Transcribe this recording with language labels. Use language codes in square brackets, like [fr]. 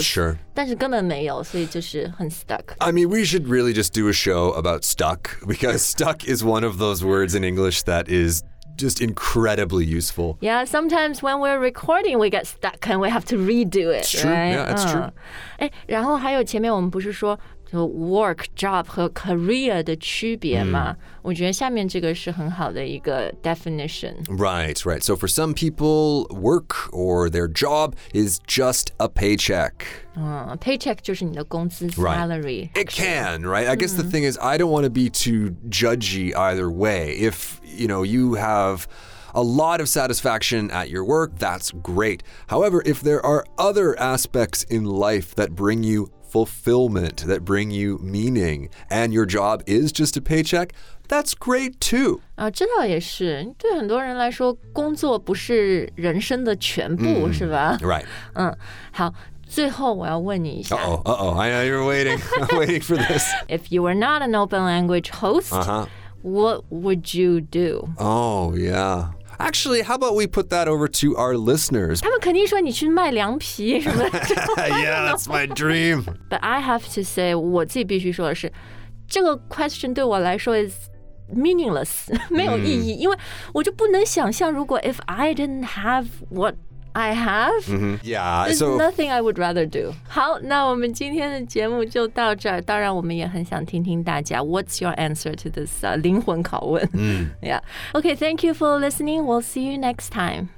[en] Sure. [zh] 但是根本没有，所以就是很 stuck. [en] I mean, we should really just do a show about stuck, because stuck is one of those words in English that is just incredibly useful. Yeah, sometimes when we're recording, we get stuck and we have to redo it. It's true. Right? Yeah, it's true. [zh] 哎，然后还有前面我们不是说就 work job 和 career 的区别吗？我觉得下面这个是很好的一个 definition. [en] Right, right. So for some people, work or their job is just a paycheck. [zh] Paycheck 就是你的工资 salary. [en] Right. It can, right? I guess the thing is, I don't want to be too judgy either way. If, you know, you have... A lot of satisfaction at your work, that's great. However, if there are other aspects in life that bring you fulfillment, that bring you meaning, and your job is just a paycheck, that's great too. [zh] 啊，这倒也是。对很多人来说，工作不是人生的全部，是吧？ [en] Right. [zh] 好，最后我要问你一下。 [en] I know you're waiting. I'm waiting for this. If you were not an open language host, what would you do? Oh, yeah. Actually, how about we put that over to our listeners? [zh] 他们肯定说你去卖凉皮什么的。 [en] Yeah, that's my dream. But I have to say, [zh] 我自己必须说的是，这个 [en] question [zh] 对我来说 [en] is meaningless, [zh] 没有意义，因为我就不能想象如果 [en] if I didn't have what I have,nothing I would rather do. [zh] 好，那我们今天的节目就到这儿。当然，我们也很想听听大家 [en] What's your answer to this [zh] 灵魂拷问？ [en] Yeah. Okay, thank you for listening. We'll see you next time.